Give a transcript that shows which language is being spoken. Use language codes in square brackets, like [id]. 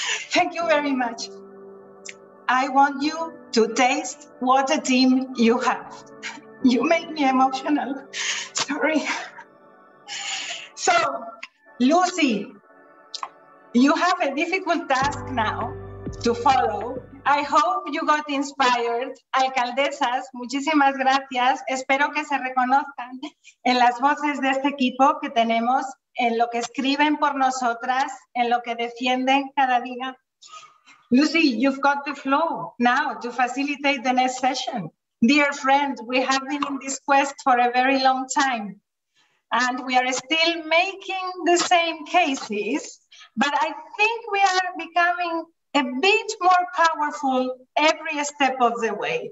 [en] Thank you very much. I want you to taste what a team you have. You made me emotional. Sorry. So, Lucy, you have a difficult task now to follow. I hope you got inspired. [es] Alcaldesas, muchísimas gracias. Espero que se reconozcan en las voces de este equipo que tenemos, en lo que escriben por nosotras, en lo que defienden cada día. [en] Lucy, you've got the flow now to facilitate the next session. Dear friend, we have been in this quest for a very long time, and we are still making the same cases, but I think we are becoming a bit more powerful every step of the way.